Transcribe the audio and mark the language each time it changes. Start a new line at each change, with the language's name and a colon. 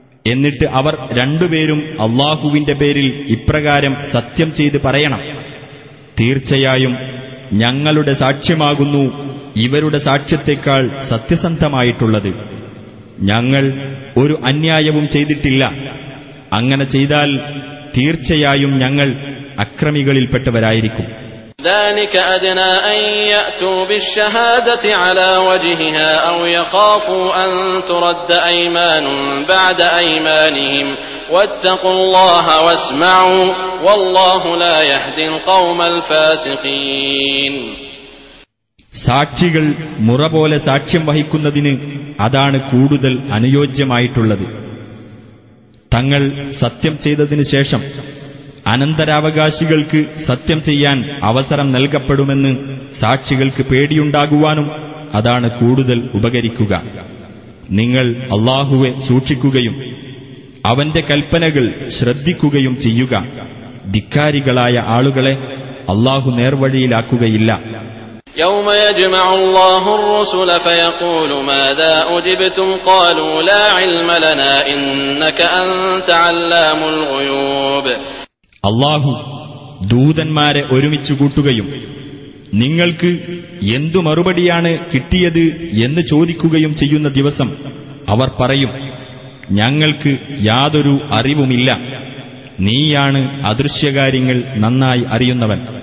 Malayalam: എന്നിട്ട് അവർ രണ്ടുപേരും അള്ളാഹുവിന്റെ പേരിൽ ഇപ്രകാരം സത്യം ചെയ്ത് പറയണം: തീർച്ചയായും ഞങ്ങളുടെ സാക്ഷ്യമാകുന്നു ഇവരുടെ സാക്ഷ്യത്തെക്കാൾ സത്യസന്ധമായിട്ടുള്ളത്. ഞങ്ങൾ ഒരു അന്യായവും ചെയ്തിട്ടില്ല. അങ്ങനെ ചെയ്താൽ തീർച്ചയായും ഞങ്ങൾ അക്രമികളിൽപ്പെട്ടവരായിരിക്കും.
Arabic: ذلك أدنى أن يأتوا بالشهادة على وجهها أو يخافوا أن ترد أيمان بعد أيمانهم واتقوا الله واسمعوا والله لا يهدي القوم الفاسقين.
Malayalam: സാക്ഷികൾ മുറ പോലെ സാക്ഷ്യം വഹിക്കുന്നതിന് അതാണ് കൂടുതൽ അനുയോജ്യമായിട്ടുള്ളത്. തങ്ങൾ സത്യം ചെയ്തതിനു ശേഷം അനന്തരാവകാശികൾക്ക് സത്യം ചെയ്യാൻ അവസരം നൽകപ്പെടുമെന്ന് സാക്ഷികൾക്ക് പേടിയുണ്ടാകുവാനും അതാണ് കൂടുതൽ ഉപകരിക്കുക. നിങ്ങൾ അള്ളാഹുവെ സൂക്ഷിക്കുകയും അവന്റെ കൽപ്പനകൾ ശ്രദ്ധിക്കുകയും ചെയ്യുക. ധിക്കാരികളായ ആളുകളെ അള്ളാഹു നേർവഴിയിലാക്കുകയില്ല.
Arabic: يوم يجمع الله الرسل فيقول ماذا أجبتم قالوا لا علم لنا إنك أنت علام الغيوب.
Malayalam: الله ദൂതന്മാരെ ഒരുമിച്ച് കൂട്ടുകയും നിങ്ങൾക്ക് എന്തു മറുപടിയാണ് കിട്ടിയത് എന്ന് ചോദിക്കുകയും ചെയ്യുന്ന ദിവസം അവർ പറയും: ഞങ്ങൾക്ക് യാതൊരു അറിവുമില്ല, നീയാണ് അദൃശ്യകാര്യങ്ങൾ നന്നായി അറിയുന്നവൻ.